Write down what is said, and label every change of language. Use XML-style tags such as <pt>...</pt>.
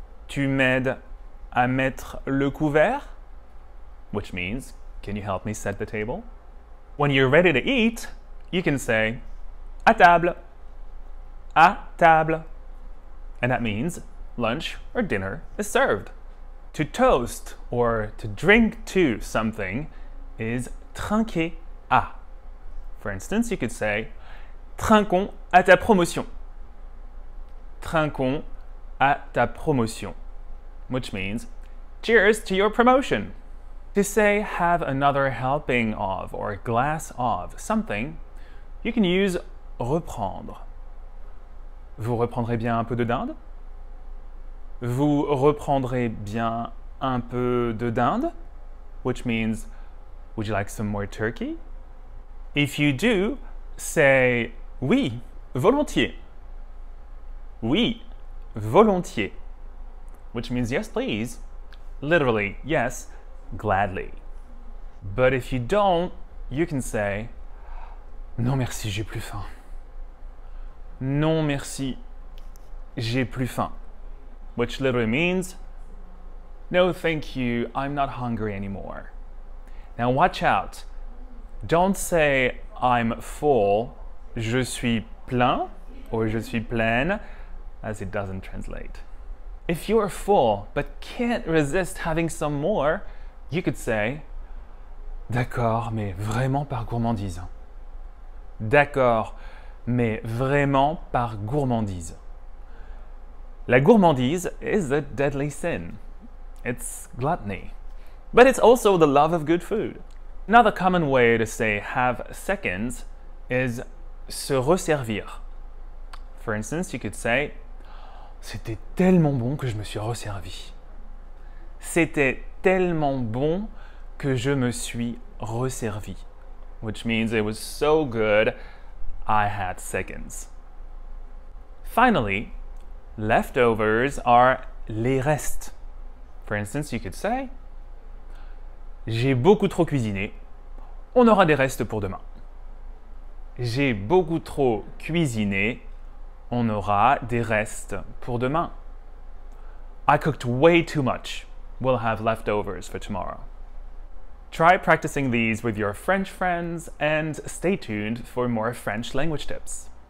<fr>Tu m'aides à mettre le couvert?</fr> <en>Which means, can you help me set the table? When you're ready to eat, you can say,</en> <fr>à table, à table.</fr> <en>And that means lunch or dinner is served. To toast or to drink to something is trinquer à. For instance, you could say,</en> <fr>trinquons à ta promotion. Trinquons à ta promotion.</fr> <en>Which means, cheers to your promotion. To say have another helping of or glass of something, you can use reprendre.</en> <fr>Vous reprendrez bien un peu de dinde? Vous reprendrez bien un peu de dinde?</fr> <en>Which means, would you like some more turkey? If you do, say</en> <fr>oui, volontiers. Oui, volontiers.</fr> <en>Which means yes, please. Literally, yes, gladly. But if you don't, you can say,</en> <fr>non merci, j'ai plus faim. Non merci, j'ai plus faim.</fr> <en>Which literally means, no thank you, I'm not hungry anymore. Now watch out. Don't say, I'm full,</en> <fr>je suis plein,</fr> <en>or</en> <fr>je suis pleine,</fr> <en>as it doesn't translate. If you're full, but can't resist having some more, you could say,</en> <fr>d'accord, mais vraiment par gourmandise. D'accord, mais vraiment par gourmandise.</fr> <en>La gourmandise is a deadly sin. It's gluttony. But it's also the love of good food. Another common way to say have seconds is se resservir. For instance, you could say,</en> <fr>c'était tellement bon que je me suis resservi. C'était tellement bon que je me suis resservi.</fr> <en>Which means it was so good, I had seconds. Finally, leftovers are les restes. For instance, you could say,</en> <fr>j'ai beaucoup trop cuisiné. On aura des restes pour demain. J'ai beaucoup trop cuisiné. On aura des restes pour demain.</fr> <en>I cooked way too much. We'll have leftovers for tomorrow. Try practicing these with your French friends and stay tuned for more French language tips.</en>